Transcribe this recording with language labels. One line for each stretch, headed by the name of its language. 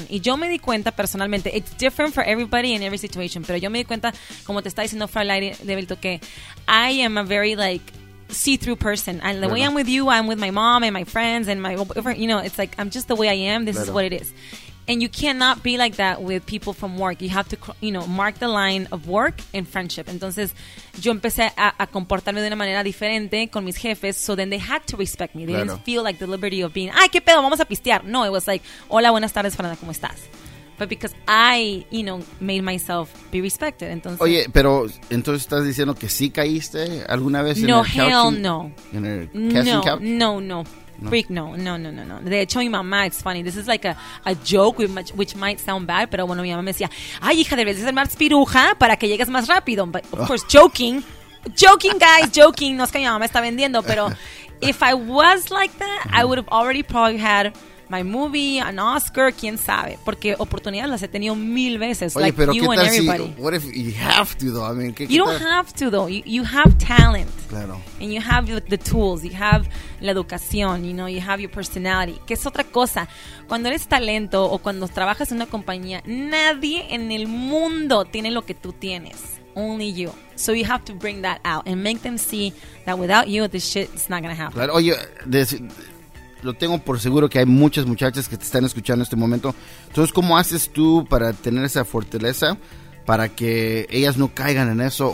Spanish: Claro. Y yo me di cuenta personalmente,
English: it's different for everybody in every situation,
Spanish: pero yo me di cuenta, como te está diciendo Fraulein Devilto, que
English: I am a very, like, see-through person. And the way I'm with you, I'm with my mom and my friends and my, you know, it's like, I'm just the way I am, this is what it is. And you cannot be like that with people from work. You have to, you know, mark the line of work and friendship.
Spanish: Entonces, yo empecé a comportarme de una manera diferente con mis jefes.
English: So then they had to respect me. They didn't feel like the liberty of being,
Spanish: ay, qué pedo, vamos a pistear.
English: No, it was like,
Spanish: hola, buenas tardes, Fernanda, ¿cómo estás?
English: But because I, you know, made myself be respected.
Spanish: Entonces, oye, pero entonces estás diciendo que sí caíste alguna vez no, en el
English: hell couching,
Spanish: no. En el casting no,
English: couch?
Spanish: No. No. Freak, no. De hecho, mi mamá,
English: it's funny, this is like a joke which might sound bad,
Spanish: pero bueno, mi mamá me decía, ay, hija, debes de ser más piruja para que llegues más rápido.
English: But of course, joking, guys,
Spanish: no es que mi mamá me está vendiendo,
English: pero if I was like that, I would have already probably had my movie, an Oscar,
Spanish: quién sabe, porque oportunidades las he tenido mil veces. Oye,
English: like you and everybody. Si, what if you have to though? I mean, you don't have to though. You have talent.
Spanish: Claro.
English: And you have the tools. You have
Spanish: la educación.
English: You know, you have your personality.
Spanish: Que es otra cosa. Cuando eres talento o cuando trabajas en una compañía, nadie en el mundo tiene lo que tú tienes.
English: Only you. So you have to bring that out and make them see that without you, this shit is not gonna happen.
Spanish: Claro. Oye, lo tengo por seguro que hay muchas muchachas que te están escuchando en este momento. Entonces, ¿cómo haces tú para tener esa fortaleza para que ellas no caigan en eso?